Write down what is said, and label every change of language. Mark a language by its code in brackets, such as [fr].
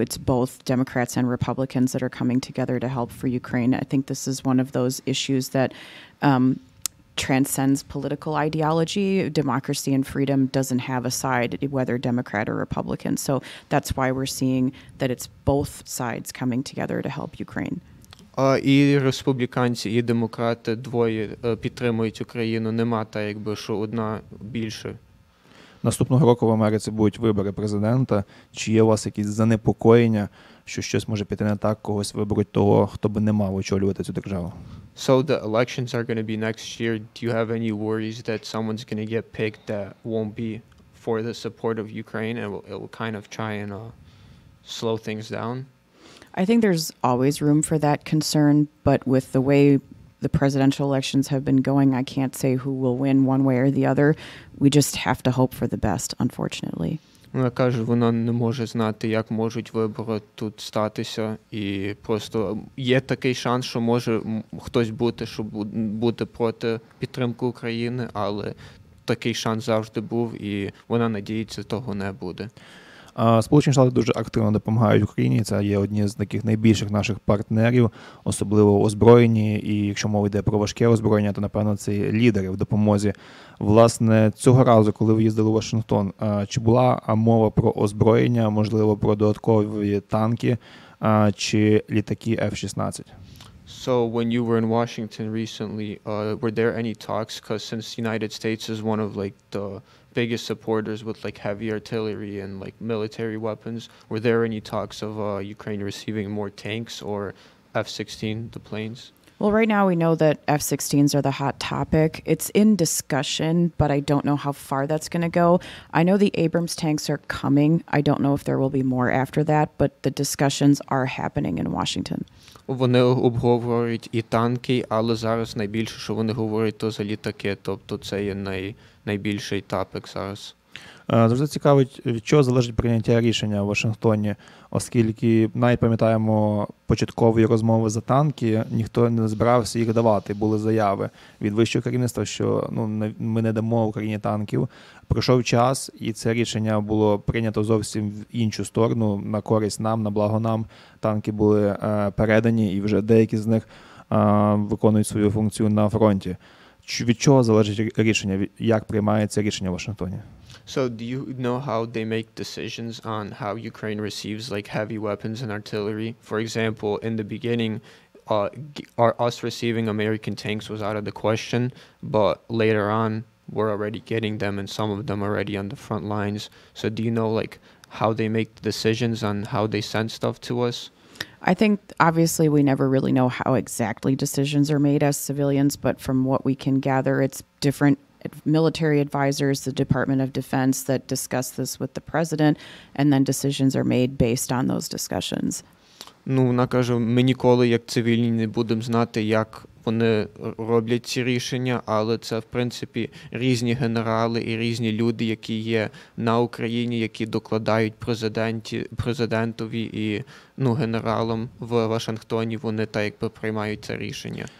[en] It's both Democrats and Republicans that are coming together to help for Ukraine. I think this is one of those issues that transcends political ideology. Democracy and freedom doesn't have a side, whether Democrat or Republican. So that's why we're seeing that it's both sides coming together to help Ukraine. [uk] І республіканці, і демократи, двоє підтримують Україну. Нема та, якби, що одна більше. Наступного року в Америці будуть вибори президента. Чи є у вас якісь занепокоєння, що щось може піти не так, когось виберуть того, хто би не мав очолювати цю державу? [en] So the elections are going to be next year. Do you have any worries that someone's going to get picked that won't be for the support of Ukraine and it will kind of try and slow things down? I think there's always room for that concern, but with the way the presidential elections have been going, I can't say who will win one way or the other. We just have to hope for the best, unfortunately. [uk] Вона каже, вона не може знати, як можуть вибори тут статися, і просто є такий шанс, що може хтось бути, що буде проти підтримки України, але такий шанс завжди був, і вона надіється, того не буде. Сполучені Штати дуже активно допомагають Україні, це є одні з таких найбільших наших партнерів, особливо озброєні, і якщо мова йде про важке озброєння, то, напевно, це лідери в допомозі. Власне, цього разу, коли ви їздили у Вашингтон, чи була мова про озброєння, можливо, про додаткові танки чи літаки F-16? [en] So when you were in Washington recently, were there any talks? Because since the United States is one of like the biggest supporters with like heavy artillery and like military weapons, were there any talks of Ukraine receiving more tanks or F-16, the planes? Well, right now we know that F-16s are the hot topic. It's in discussion, but I don't know how far that's going to go. I know the Abrams tanks are coming. I don't know if there will be more after that, but the discussions are happening in Washington. [uk] Вони обговорюють і танки, але зараз найбільше, що вони говорять, то за літаки. Тобто це є найбільший тапик зараз. Завжди цікавить, від чого залежить прийняття рішення в Вашингтоні, оскільки навіть пам'ятаємо початкові розмови за танки, ніхто не збирався їх давати, були заяви від вищого керівництва, що ну, ми не дамо Україні танків. Пройшов час, і це рішення було прийнято зовсім в іншу сторону, на користь нам, на благо нам. Танки були передані, і вже деякі з них виконують свою функцію на фронті. Від чого залежить рішення, як приймається рішення в Вашингтоні? [en] So do you know how they make decisions on how Ukraine receives like heavy weapons and artillery? For example, in the beginning, us receiving American tanks was out of the question, but later on, we're already getting them and some of them already on the front lines. So do you know like how they make decisions on how they send stuff to us? I think obviously we never really know how exactly decisions are made as civilians, but from what we can gather, it's different military advisors, the Department of Defense that discuss this with the president, and then decisions are made based on those discussions. [uk] Ну, вона каже, ми ніколи як цивільні не будемо знати, як вони роблять ці рішення, але це, в принципі, різні генерали і різні люди, які є на Україні, які докладають президентові і ну, генералам в Вашингтоні, вони так якби приймають це рішення.